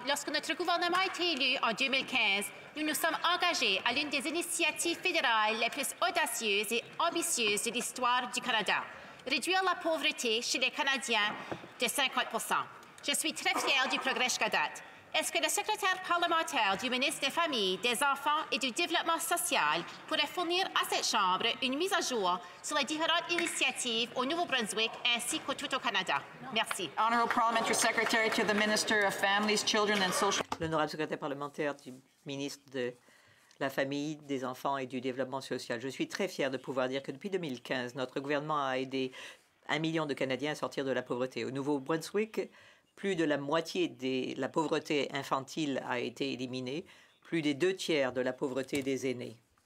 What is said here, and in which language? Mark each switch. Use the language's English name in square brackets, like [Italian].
[French] Lorsque notre gouvernement a été élu en 2015, nous nous sommes engagés à l'une des initiatives fédérales les plus audacieuses et ambitieuses de l'histoire du Canada, réduire la pauvreté chez les Canadiens de 50 %. Je suis très fière du progrès jusqu'à date. Est-ce que le secrétaire parlementaire du ministre des Familles, des Enfants et du Développement social pourrait fournir à cette Chambre une mise à jour sur les différentes initiatives au Nouveau-Brunswick ainsi qu'au tout au Canada? Merci. [English] Honorable Parliamentary Secretary to the Minister of Families, Children and Social... [French] L'honorable secrétaire parlementaire du ministre de la Famille, des Enfants et du Développement social. Je suis très fière de pouvoir dire que depuis 2015, notre gouvernement a aidé 1 million de Canadiens à sortir de la pauvreté. Au Nouveau-Brunswick, plus de la moitié de la pauvreté infantile a été éliminée, plus des 2/3 de la pauvreté des aînés.